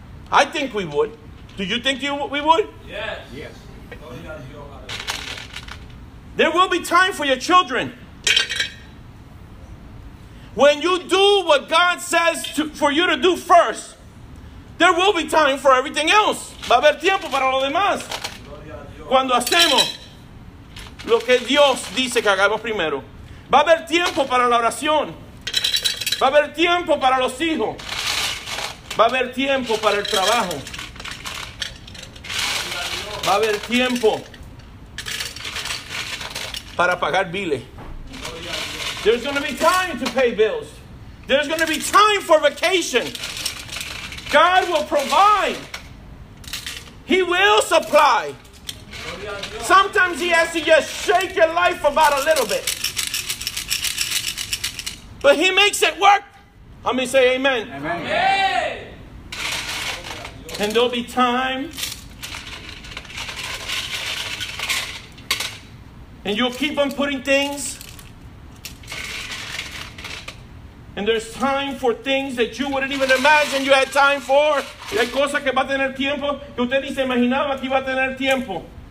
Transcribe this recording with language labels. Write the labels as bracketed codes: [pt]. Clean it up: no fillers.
[en] I think we would. Do you think we would? Yes. There will be time for your children. When you do what God says to, for you to do first, there will be time for everything else. [es] Va a haber tiempo para lo demás. Cuando hacemos lo que Dios dice que hagamos primero, va a haber tiempo para la oración. Va a haber tiempo para los hijos. Va a haber tiempo para el trabajo. Va a haber tiempo para pagar biles. [en] There's going to be time to pay bills. There's going to be time for vacation. God will provide. He will supply. Sometimes he has to just shake your life about a little bit. But he makes it work. How many say amen? Amen. Amen. And there'll be time. And you'll keep on putting things. And there's time for things that you wouldn't even imagine you had time for. [es] Y hay cosas que va a tener tiempo que usted ni se imaginaba que iba a tener tiempo.